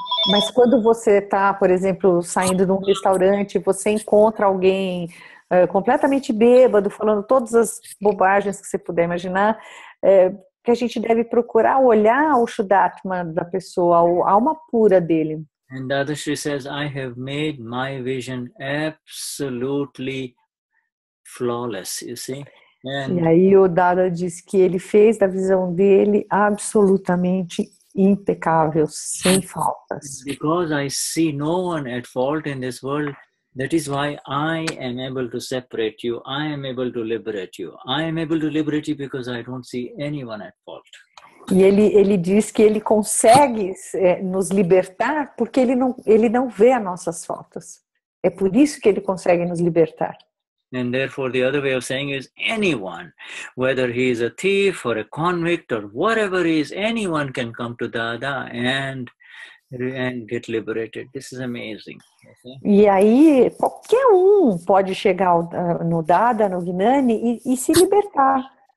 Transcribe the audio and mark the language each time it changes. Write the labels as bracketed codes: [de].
[pt] Mas quando você está, por exemplo, saindo de um restaurante, você encontra alguém completamente bêbado, falando todas as bobagens que você puder imaginar, que a gente deve procurar olhar o Shuddhatma da pessoa, a alma pura dele. [en] And Dadashri says, I have made my vision absolutely flawless, you see. And... [pt] E aí o Dada diz que ele fez da visão dele absolutamente impecável, sem faltas. [en] Because I see no one at fault in this world, that is why I am able to separate you, I am able to liberate you. I am able to liberate you because I don't see anyone at fault. [pt] E ele diz que ele consegue nos libertar porque ele não vê as nossas faltas. É por isso que ele consegue nos libertar. [en] And therefore, the other way of saying is anyone, whether he is a thief or a convict or whatever he is, anyone can come to Dada and And get liberated. This is amazing. [pt] E aí, qualquer um pode chegar no Dada, no Gnani, e se libertar.